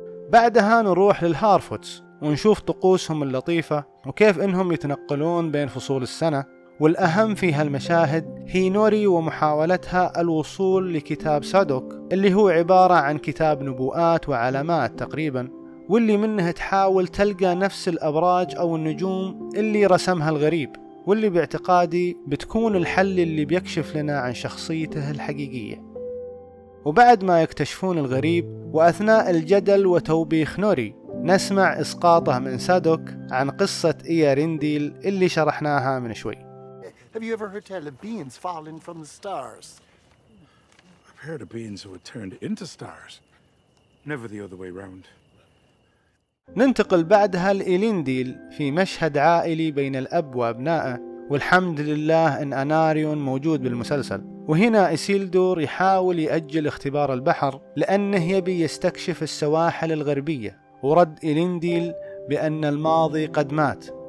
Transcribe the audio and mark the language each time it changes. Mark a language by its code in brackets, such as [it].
[ar] بعدها نروح للهارفوتس ونشوف طقوسهم اللطيفة وكيف انهم يتنقلون بين فصول السنة، والاهم في هالمشاهد هي نوري ومحاولتها الوصول لكتاب سادوك اللي هو عبارة عن كتاب نبوءات وعلامات تقريبا، واللي منها تحاول تلقى نفس الابراج او النجوم اللي رسمها الغريب، واللي باعتقادي بتكون الحل اللي بيكشف لنا عن شخصيته الحقيقية. وبعد ما يكتشفون الغريب وأثناء الجدل وتوبيخ نوري، نسمع إسقاطه من سادوك عن قصة إيرينديل اللي شرحناها من شوي. [en] Have you ever heard tell of beings falling from the stars? I've heard of beings who were turned into stars. Never the other way round. [ar] ننتقل بعدها لإيلينديل في مشهد عائلي بين الأب وأبنائه، والحمد لله أن أناريون موجود بالمسلسل. وهنا إيسيلدور يحاول يأجل اختبار البحر لأنه يبي يستكشف السواحل الغربية، ورد إيلينديل بأن الماضي قد مات.